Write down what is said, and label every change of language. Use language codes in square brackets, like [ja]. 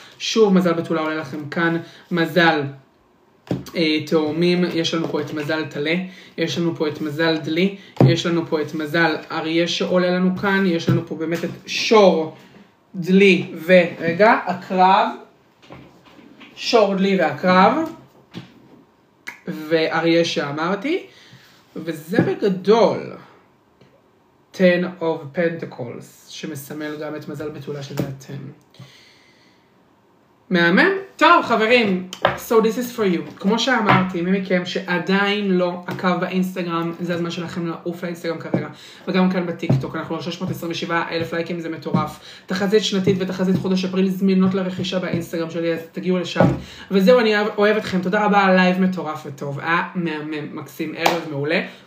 [he] שוב, מזל בתולה עולה לכם כאן, מזל תאומים, יש לנו פה את מזל תלה, יש לנו פה את מזל דלי, יש לנו פה את מזל אריה שעולה לנו כאן, יש לנו פה באמת את שור דלי ורגע, הקרב, שור דלי והקרב, ואריה שאמרתי, וזה בגדול, Ten of Pentacles, שמסמל גם את מזל בתולה שזה אתם. מאמן? טוב, חברים, [en] so this is for you. [he] כמו שאמרתי, מי מכם שעדיין לא עקב באינסטגרם, זה הזמן שלכם לעוף לאינסטגרם כרגע, וגם כאן בטיקטוק, אנחנו 627,000 לייקים, זה מטורף. תחזית שנתית ותחזית חודש אפריל זמינות לרכישה באינסטגרם שלי, אז תגיעו לשם. וזהו, אני אוהב אתכם, תודה רבה, לייב מטורף וטוב, מאמן, מקסים, ערב מעולה.